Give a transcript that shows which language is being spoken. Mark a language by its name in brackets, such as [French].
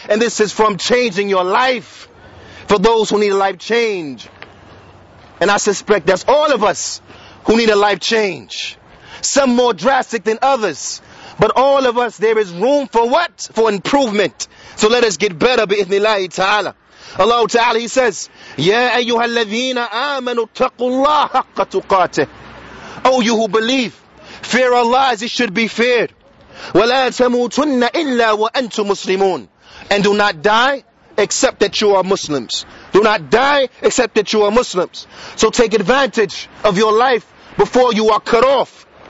[English] And this is from changing your life for those who need a life change. And I suspect that's all of us who need a life change. Some more drastic than others. But all of us, there is room for what? For improvement. So let us get better bi'ithnillahi ta'ala. Allah Ta'ala, He says, [Arabic] يَا أَيُّهَا الَّذِينَ آمَنُوا اتَّقُوا اللَّهَ حَقَّ تُقَاتِهِ. [English] O you who believe, fear Allah as it should be feared. [Arabic] وَلَا تَمُوتُنَّ إِلَّا وَأَنْتُمْ مُسْلِمُونَ. [English] And do not die except that you are Muslims. Do not die except that you are Muslims. So take advantage of your life before you are cut off.